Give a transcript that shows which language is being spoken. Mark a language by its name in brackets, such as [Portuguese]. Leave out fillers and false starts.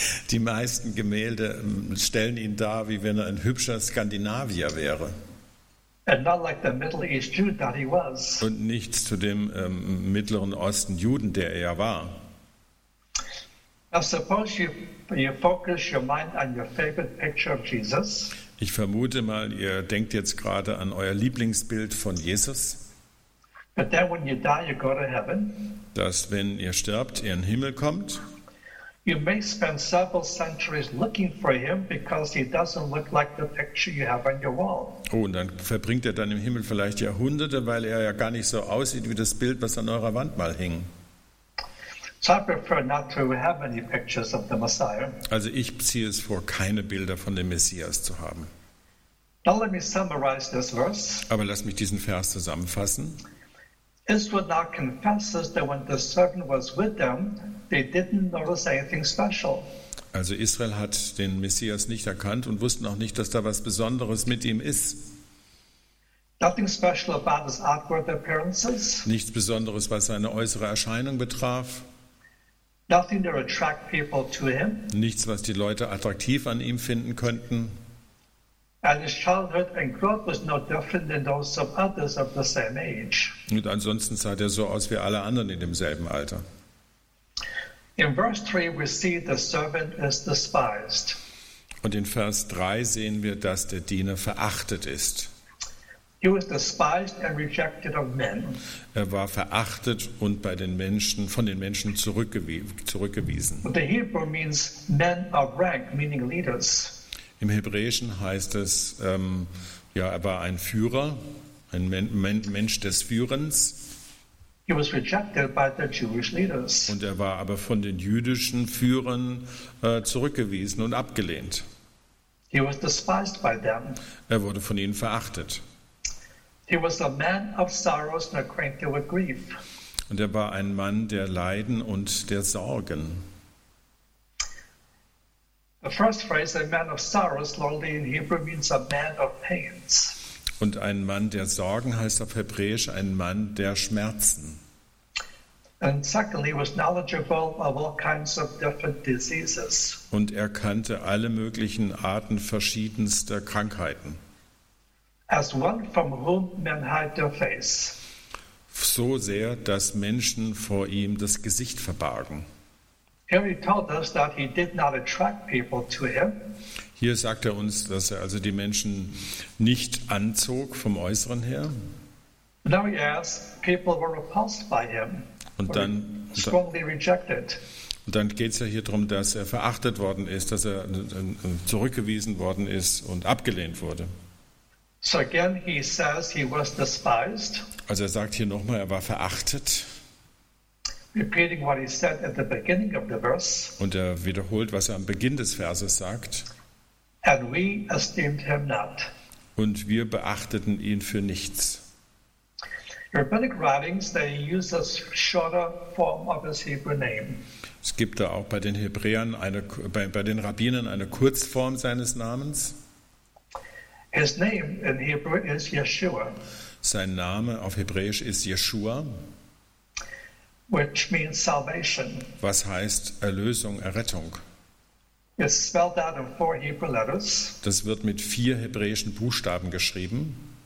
[German] Die meisten Gemälde stellen ihn dar, wie wenn er ein hübscher Skandinavier wäre. [English] And not like the Middle East Jew that he was. [German] Und nicht zu dem Mittleren Osten Juden, der er ja war. [English] Now suppose you focus your mind on your favorite picture of Jesus. [German] Ich vermute mal, ihr denkt jetzt gerade an euer Lieblingsbild von Jesus. [English] But then when you die, you go to heaven. [German] Dass, wenn ihr stirbt, ihr in den Himmel kommt. [English] You may spend several centuries looking for him because he doesn't look like the picture you have on your wall. [German] Oh, und dann verbringt er dann im Himmel vielleicht Jahrhunderte, weil er ja gar nicht so aussieht wie das Bild, was an eurer Wand mal hing. [English] So I prefer not to have any pictures of the Messiah. [German] Also ich ziehe es vor, keine Bilder von dem Messias zu haben. [English] Now let me summarize this verse. [German] Aber lass mich diesen Vers zusammenfassen. [English] Israel now confesses that when the servant was with them, they didn't notice anything special. [German] Also Israel hat den Messias nicht erkannt und wussten auch nicht, dass da was Besonderes mit ihm ist. [English] Nothing special about his outward appearances. [German] Nichts Besonderes, was seine äußere Erscheinung betraf. [English] Nothing to attract people to him. [German] Nichts, was die Leute attraktiv an ihm finden könnten. [English] And his childhood and growth was no different than those of others of the same age. [German] Und ansonsten sah er so aus wie alle anderen in demselben Alter. [English] In verse 3 we see the servant is despised. [German] Und in Vers 3 sehen wir, dass der Diener verachtet ist. [English] He was despised and rejected of men. [German] Er war verachtet und bei den Menschen, von den Menschen zurückgewiesen. [English] But the Hebrew means men of rank, meaning leaders. [German] Im Hebräischen heißt es, er war ein Führer, ein Mensch des Führens. [English] He was rejected by the Jewish leaders. [German] Und er war aber von den jüdischen Führern zurückgewiesen und abgelehnt. [English] He was despised by them. [German] Er wurde von ihnen verachtet. [English] He was a man of sorrows and acquainted with grief. [German] Und er war ein Mann der Leiden und der Sorgen. [English] The first phrase, a man of sorrows, literally in Hebrew means a man of pains. [German] Und ein Mann der Sorgen heißt auf Hebräisch ein Mann der Schmerzen. [English] And secondly, he was knowledgeable of all kinds of different diseases. [German] Und er kannte alle möglichen Arten verschiedenster Krankheiten. [English] As one from whom men hide their face. [German] So sehr, dass Menschen vor ihm das Gesicht verbargen. [English] Here he told us that he did not attract people to him. [German] Hier sagt er uns, dass er also die Menschen nicht anzog vom Äußeren her. [English] Now he asks, people were repulsed by him. [German] Und dann [English] strongly rejected. [German] Und dann geht es ja hier darum, dass er verachtet worden ist, dass er zurückgewiesen worden ist und abgelehnt wurde. [English] So again he says he was despised. [German] Also er sagt hier nochmal, er war verachtet. [English] Repeating what he said at the beginning of the verse. [German] Und er wiederholt, was er am Beginn des Verses sagt. [English] And we esteemed him not. [German] Und wir beachteten ihn für nichts. [English] Rabbinic writings, they use a shorter form of his Hebrew name. [German] Es gibt da auch bei den Hebräern bei den Rabbinern eine Kurzform seines Namens. [English] His name in Hebrew is Yeshua. [German] Sein Name auf Hebräisch ist Yeshua. [English] Which means salvation. [German] Was heißt Erlösung, Errettung? [English] It's spelled out in four Hebrew letters. [German] Das wird mit vier hebräischen Buchstaben geschrieben.